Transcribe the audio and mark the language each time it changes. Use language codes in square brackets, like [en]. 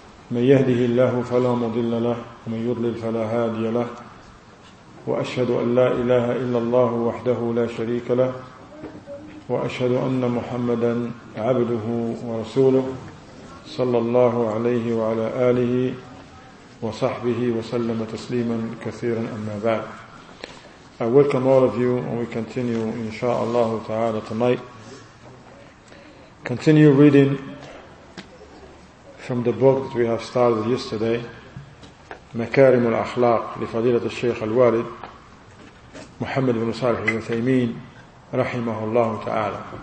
[ar] من يهده الله فلا مضل له ومن يضلل فلا هادي له، وأشهد أن لا إله إلا الله وحده لا شريك له، وأشهد أن محمدا عبده ورسوله صلى الله عليه وعلى آله وصحبه وسلم تسليما كثيرا. أما بعد، [en] I welcome all of you and we continue inshaAllah ta'ala tonight. Continue reading from the book that we have started yesterday, مكارم الأخلاق لفضيلة الشيخ الوالد محمد بن صالح الثيمين [ar] رحمه الله تعالى.